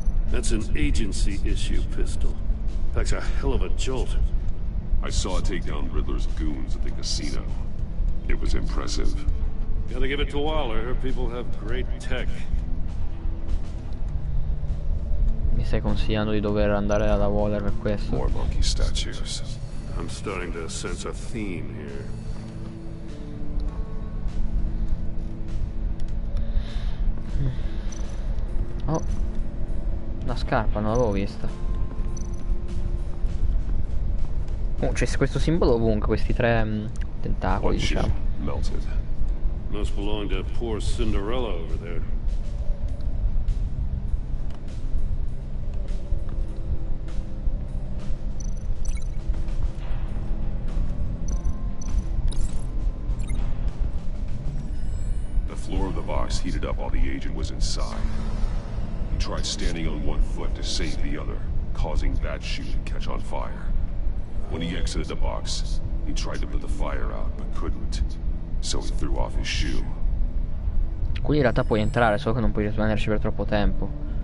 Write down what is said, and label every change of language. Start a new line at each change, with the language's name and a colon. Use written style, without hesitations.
English: That's an agency issue pistol. That's a hell of a jolt. I saw it take down Riddler's goons at the casino. It was impressive. Gotta give it to Waller, her people have great tech.
Italian: Mi stai consigliando di dover andare da Waller per questo?
English: More monkey statues. I'm starting to sense a theme here.
Italian: Oh, la scarpa, non l'avevo vista. Oh, c'è questo simbolo ovunque, questi tre tentacoli, diciamo.
English: Melted. Must belong to poor Cinderella over there. The floor of the box heated up while the agent was inside. He tried standing on one foot to save the other, causing that chute to catch on fire. When he exited the box, he tried to put the fire out, but couldn't. So he threw off his shoe.
Italian: Qui in realtà puoi entrare, solo che non puoi rimanerci per troppo tempo.